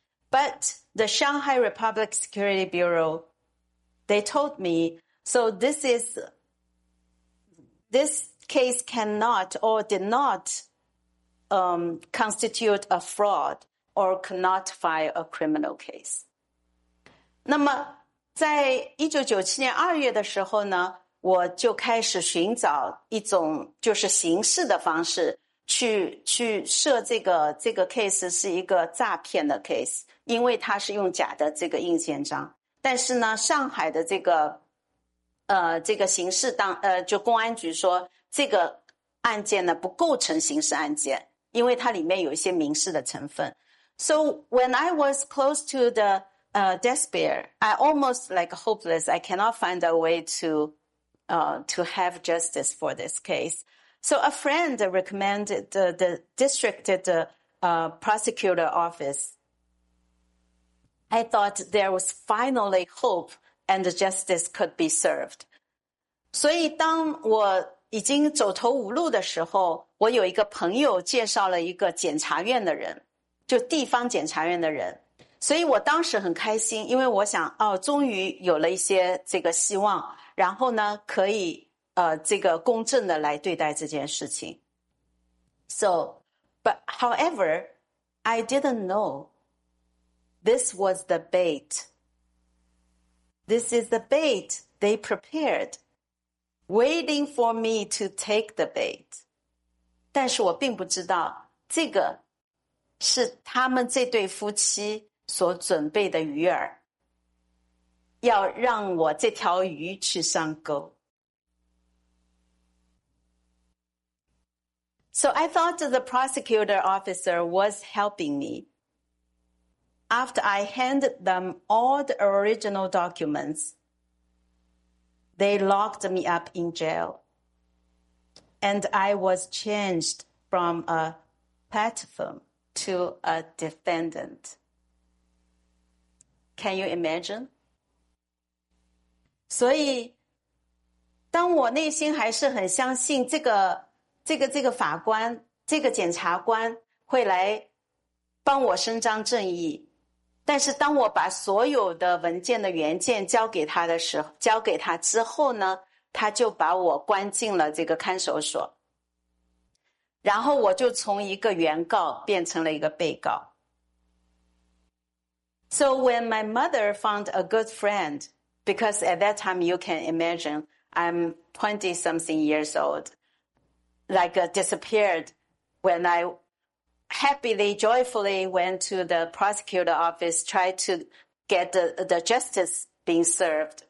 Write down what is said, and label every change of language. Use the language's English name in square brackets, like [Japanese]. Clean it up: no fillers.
[English] But the Shanghai Republic Security Bureau, they told me, so this case cannot or did not constitute a fraud or cannot file a criminal case. [Chinese] 那么在1997年2月的时候呢，我就开始寻找一种就是刑事的方式去设这个 case 是一个诈骗的 case， 因为它是用假的这个印鉴章。但是呢，上海的这个刑事就公安局说这个案件呢不构成刑事案件，因为它里面有一些民事的成分。 [English] So when I was close to the despair, I almost like hopeless. I cannot find a way to have justice for this case. So a friend recommended the district prosecutor office. I thought there was finally hope and justice could be served. [Chinese] 所以当我已经走投无路的时候，我有一个朋友介绍了一个检察院的人，就地方检察院的人。所以我当时很开心，因为我想，哦，终于有了一些这个希望，然后呢，可以这个公正的来对待这件事情。So, [English] But however, I didn't know this was the bait. This is the bait they prepared, waiting for me to take the bait. 但是我并不知道这个是他们这对夫妻所准备的鱼饵，要让我这条鱼去上钩。 So I thought the prosecutor officer was helping me. After I handed them all the original documents, they locked me up in jail. And I was changed from a platform to a defendant. Can you imagine? [Chinese] 所以当我内心还是很相信这个法官，这个检察官会来帮我伸张正义。但是当我把所有的文件的原件交给他之后呢，他就把我关进了这个看守所。然后我就从一个原告变成了一个被告。 [English] So when my mother found a good friend, because at that time you can imagine I'm 20 something years old,disappeared when I happily, joyfully went to the prosecutor office, tried to get the justice being served.